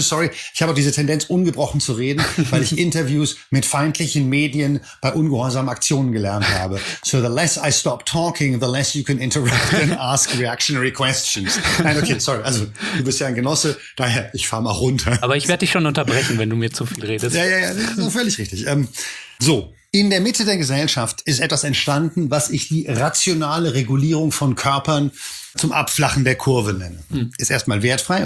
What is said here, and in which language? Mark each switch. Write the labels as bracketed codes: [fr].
[de] Sorry, ich habe auch diese Tendenz, ungebrochen zu reden, weil ich Interviews mit feindlichen Medien bei ungehorsamen Aktionen gelernt habe. [en] So the less I stop talking, the less you can interrupt and ask reactionary questions. [de] Nein, okay, sorry, also du bist ja ein Genosse, daher, ich fahre mal runter. Aber ich werde dich schon unterbrechen, wenn du mir zu viel redest. Ja, das ist völlig richtig. So. In der Mitte der Gesellschaft ist etwas entstanden, was ich die rationale Regulierung von Körpern zum Abflachen der Kurve nenne. Ist erstmal wertfrei.